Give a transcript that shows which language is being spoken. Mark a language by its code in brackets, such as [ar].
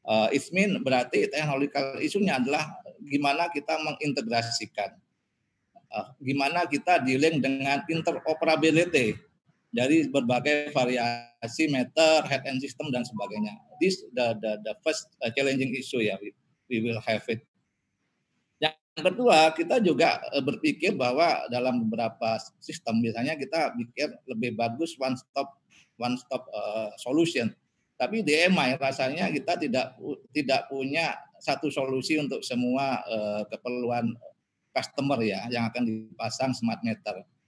[en] It mean [id] berarti technological issue-nya adalah gimana kita mengintegrasikan, gimana kita dealing dengan interoperability dari berbagai variasi meter, head end system dan sebagainya. [en] This the first challenging issue ya, we will have it. [id] Yang kedua, kita juga berpikir bahwa dalam beberapa sistem, misalnya kita pikir lebih bagus one stop solution. Tapi di EMI rasanya kita tidak punya satu solusi untuk semua keperluan customer ya yang akan dipasang smart meter.